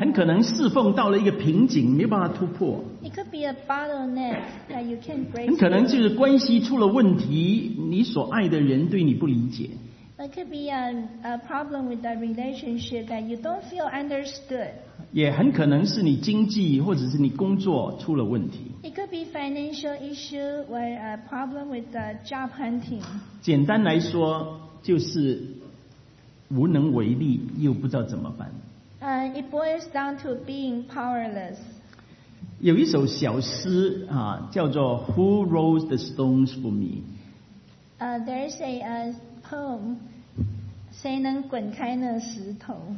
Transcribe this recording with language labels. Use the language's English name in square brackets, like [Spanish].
[Chinese] 很可能侍奉到了一个瓶颈，没办法突破。 [English] It could be a bottleneck that you can't break. [Chinese] 很可能就是关系出了问题，你所爱的人对你不理解。 [English] It could be a problem with the relationship that you don't feel understood. [Chinese] 也很可能是你经济或者是你工作出了问题。 [English] It could be financial issue or a problem with the job hunting. [Chinese] 简单来说就是。无能为力，又不知道怎么办。 [English] It boils down to being powerless. [Chinese] 有一首小诗叫做 [English] Who rolls the stones for me? There is a poem, [Chinese] 谁能滚开那石头？